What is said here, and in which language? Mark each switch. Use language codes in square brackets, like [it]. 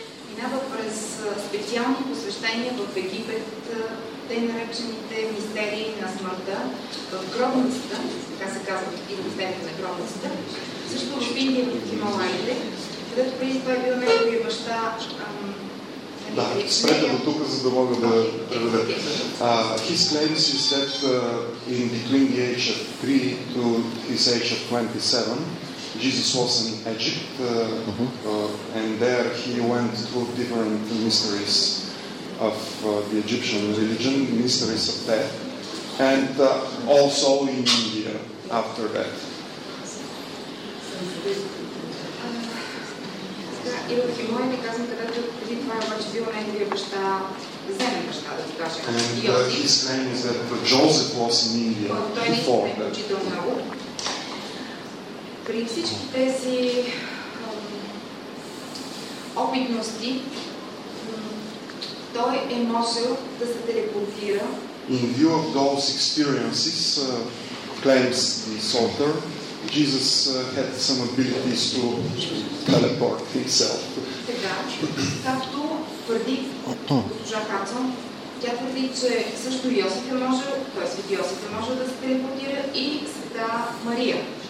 [bg] минава през специални посвещения в Египет, тъй наречените мистерии на смъртта, в гробницата, така се казва и мистерия на гробницата, също в Индия в Хималаите, където преди това е бил неговия баща. Да, спрете до тук, за да мога да преведа. [en] His claims is that in between the age of 3 to his age of 27, Jesus was in Egypt, and there he went through different mysteries of the Egyptian religion, mysteries of death, and also in India after that. And his claim is that Joseph was in India before that. [bg] При всички тези опитности, той е можел да се телепортира. [en] In view of those experiences, claims the author, Jesus had some abilities to teleport himself. [bg] Така, както твърди госпожа Хатсон, тя твърди, че също Йосиф е можел, т.е. Свети Йосиф е можел да се телепортира и света Мария.